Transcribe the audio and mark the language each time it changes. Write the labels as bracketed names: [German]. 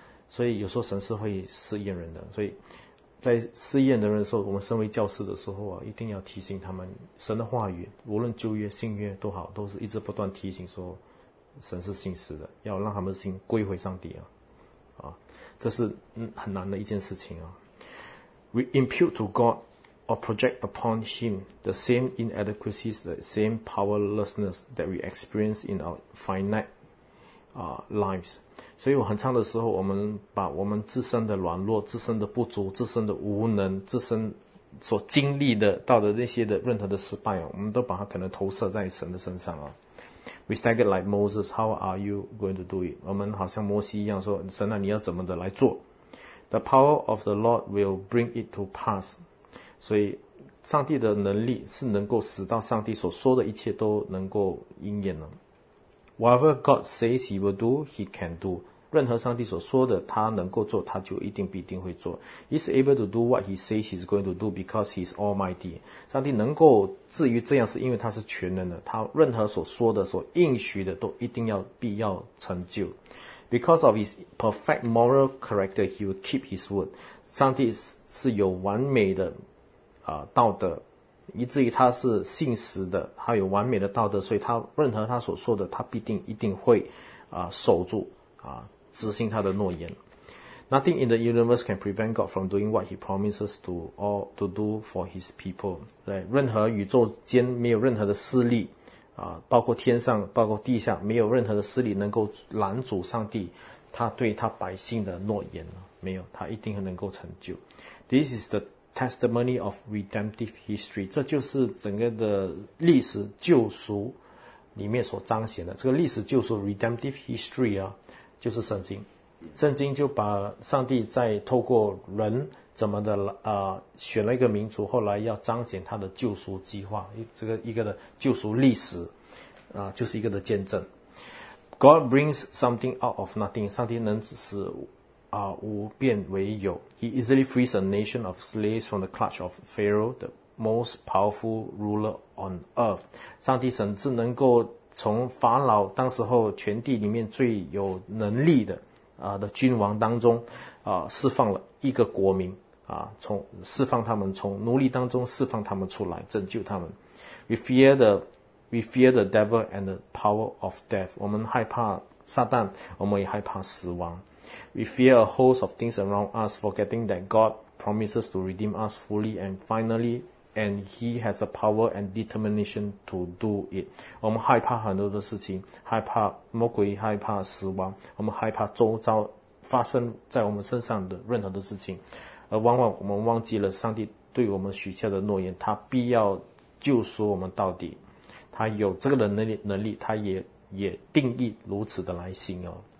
[Chinese] 所以有时候神是会试验人的，所以在试验的人的时候，我们身为教师的时候啊，一定要提醒他们，神的话语无论旧约新约都好，都是一直不断提醒说神是信实的，要让他们的心归回上帝啊，啊，这是很难的一件事情啊。 [English] We impute to God or project upon Him the same inadequacies, the same powerlessness that we experience in our finite lives. [Chinese] 所以，我很长的时候，我们把我们自身的软弱、自身的不足、自身的无能、自身所经历的到的那些的任何的失败啊，我们都把它可能投射在神的身上啊。 [English] We staggered like Moses. How are you going to do it? [Chinese] 我们好像摩西一样说，神啊，你要怎么的来做？ [English] The power of the Lord will bring it to pass. [Chinese] 所以上帝的能力是能够使到上帝所说的一切都能够应验了。 [English] Whatever God says he will do, he can do. [Chinese] 任何上帝所说的他能够做，他就一定必定会做。 [English] He's able to do what he says he's going to do because he's almighty. [Chinese] 上帝能够至于这样是因为他是全能的，他任何所说的所应许的都一定要必要成就。 [English] Because of his perfect moral character, he will keep his word. [Chinese] 上帝是有完美的道德，以至于他是信实的，他有完美的道德，所以他任何他所说的他必定一定会守住执行他的诺言。 [English] Nothing in the universe can prevent God from doing what he promises to all to do for his people. [Chinese] 对，任何宇宙间没有任何的势力包括天上包括地下，没有任何的势力能够拦阻上帝他对他百姓的诺言，没有，他一定能够成就。 [English] This is the testimony of redemptive history. [Chinese] 这就是整个的历史救赎里面所彰显的，这个历史救赎 redemptive history 啊，就是圣经。圣经就把上帝在透过人怎么的选了一个民族，后来要彰显他的救赎计划，这个一个的救赎历史就是一个的见证。 [English] God brings something out of nothing. [Chinese] 上帝能使无变为有。 [English] He easily frees a nation of slaves from the clutch of Pharaoh, the most powerful ruler on earth. [Chinese] 上帝甚至能够从法老当时候全地里面最有能力的君王当中释放了一个国民从释放他们从奴隶当中释放他们出来拯救他们。 [English] We fear the devil and the power of death. [Chinese] 我们害怕撒旦，我们也害怕死亡。 [English] We fear a host of things around us, forgetting that God promises to redeem us fully and finally, and He has the power and determination to do it. [Chinese] 我们害怕很多的事情，害怕魔鬼，害怕死亡，我们害怕周遭发生在我们身上的任何的事情，而往往我们忘记了上帝对我们许下的诺言，他必要救赎我们到底，他有这个的能力，他也定义如此的来行哦。